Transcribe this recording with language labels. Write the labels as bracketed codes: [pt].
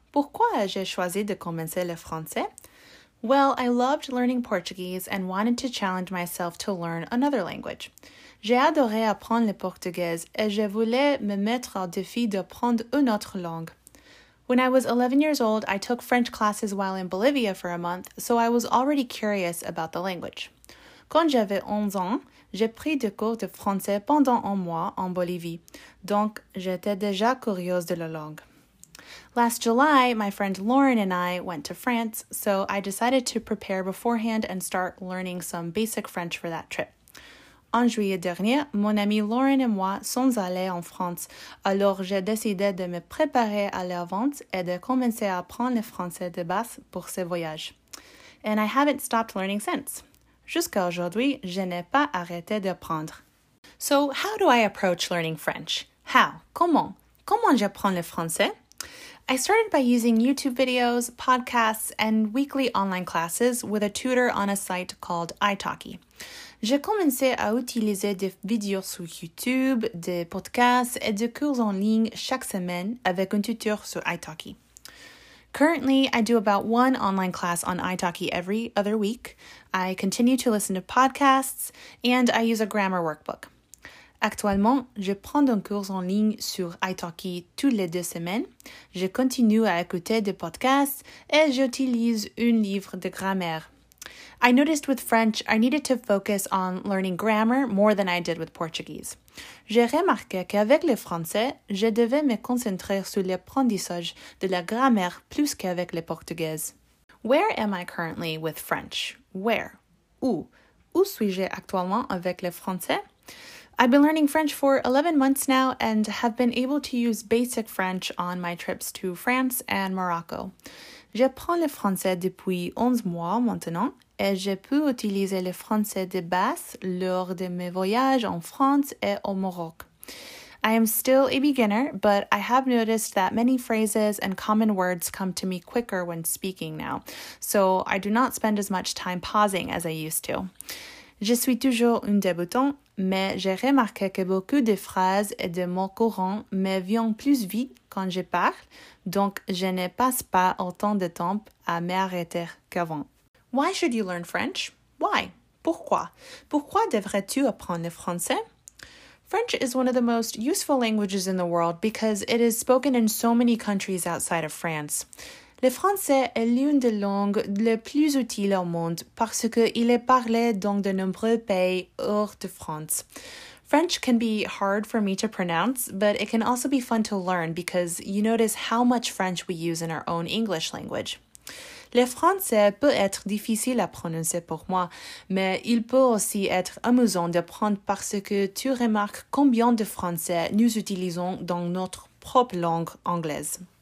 [fr] Pourquoi ai-je choisi de commencer le français? [en] Well, I loved learning Portuguese and wanted to challenge myself to learn another language. [fr] J'ai adoré apprendre le portugais et je voulais me mettre au défi d'apprendre une autre langue. [en] When I was 11 years old, I took French classes while in Bolivia for a month, so I was already curious about the language. [fr] Quand j'avais 11 ans, j'ai pris des cours de français pendant un mois en Bolivie, donc j'étais déjà curieuse de la langue. [en] Last July, my friend Lauren and I went to France, so I decided to prepare beforehand and start learning some basic French for that trip. [fr] En juillet dernier, mon amie Lauren et moi sommes allés en France, alors j'ai décidé de me préparer à l'avance et de commencer à apprendre le français de base pour ce voyage. [en] And I haven't stopped learning since. [fr] Jusqu'à aujourd'hui, je n'ai pas arrêté d'apprendre. [en] So, how do I approach learning French? How? Comment? [fr] Comment j'apprends le français? [en] I started by using YouTube videos, podcasts, and weekly online classes with a tutor on a site called iTalki. [fr] J'ai commencé à utiliser des vidéos sur YouTube, des podcasts, et des cours en ligne chaque semaine avec un tuteur sur iTalki. [en] Currently, I do about one online class on iTalki every other week. I continue to listen to podcasts, and I use a grammar workbook. [fr] Actuellement, je prends un cours en ligne sur iTalki tous les deux semaines. Je continue à écouter des podcasts et j'utilise un livre de grammaire. [en] I noticed with French, I needed to focus on learning grammar more than I did with Portuguese. [fr] J'ai remarqué qu'avec le français, je devais me concentrer sur l'apprentissage de la grammaire plus qu'avec le portugais. [en] Where am I currently with French? Where? [fr] Où? Où suis-je actuellement avec le français? [en] I've been learning French for 11 months now and have been able to use basic French on my trips to France and Morocco. [fr] J'apprends le français depuis 11 mois maintenant et je peux utiliser le français de base lors de mes voyages en France et au Maroc. [en] I am still a beginner, but I have noticed that many phrases and common words come to me quicker when speaking now, so I do not spend as much time pausing as I used to. [fr] Je suis toujours une débutante, mais j'ai remarqué que beaucoup de phrases et de mots courants me viennent plus vite quand je parle, donc je ne passe pas autant de temps à m'arrêter qu'avant. [en] Why should you learn French? Why? [fr] Pourquoi? Pourquoi devrais-tu apprendre le français? [en] French is one of the most useful languages in the world because it is spoken in so many countries outside of France. [fr] Le français est l'une des langues les plus utiles au monde parce qu'il est parlé dans de nombreux pays hors de France. [en] French can be hard for me to pronounce, but it can also be fun to learn because you notice how much French we use in our own English language. [fr] Le français peut être difficile à prononcer pour moi, mais il peut aussi être amusant d'apprendre parce que tu remarques combien de français nous utilisons dans notre propre langue anglaise.